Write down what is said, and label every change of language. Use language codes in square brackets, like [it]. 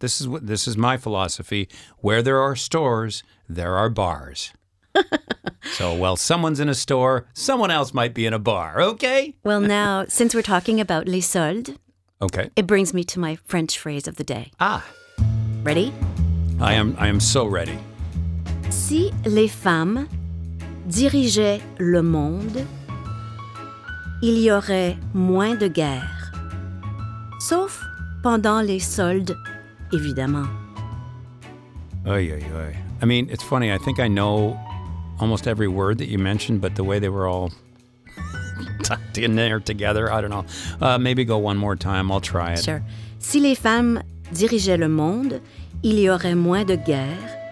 [en] This is my philosophy. Where there are stores, there are bars. So while someone's in a store, someone else might be in a bar. Okay. Well, now, since we're talking about les soldes. Okay. It brings me to my French phrase of the day. Ah. Ready? I am so ready. [fr] Si les femmes dirigeaient le monde, il y aurait moins de guerre. Sauf pendant les soldes, évidemment. [en] Oy, oy, oy. I mean, it's funny. I think I know almost every word that you mentioned, but the way they were all tucked in there together, I don't know. Maybe go one more time. I'll try it. Sure. [fr] Si les femmes dirigeaient le monde, il y aurait moins de guerre.